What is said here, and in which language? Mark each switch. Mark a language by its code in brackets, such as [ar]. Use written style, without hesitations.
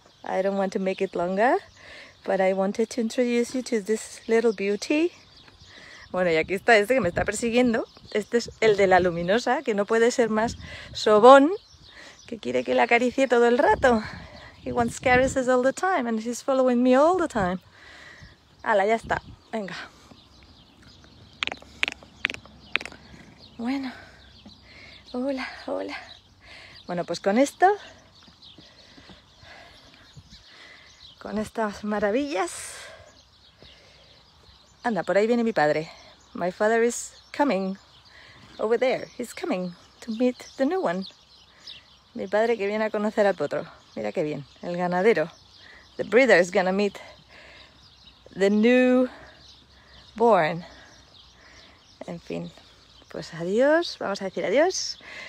[en] I don't want to make it longer, but I wanted to introduce you to this little beauty. [es] Bueno, y aquí está este que me está persiguiendo. Este es el de la luminosa, que no puede ser más sobón, que quiere que le acaricie todo el rato. [en] He wants caresses all the time and he's following me all the time. [es] Hala, ya está. Venga. Bueno. Hola, hola. Bueno, pues con esto, con estas maravillas. Anda, por ahí viene mi padre. [en] My father is coming over there. He's coming to meet the new one. [es] Mi padre que viene a conocer al potro. Mira qué bien, el ganadero. [en] The breeder is gonna meet the new born. [es] En fin, pues adiós, vamos a decir adiós.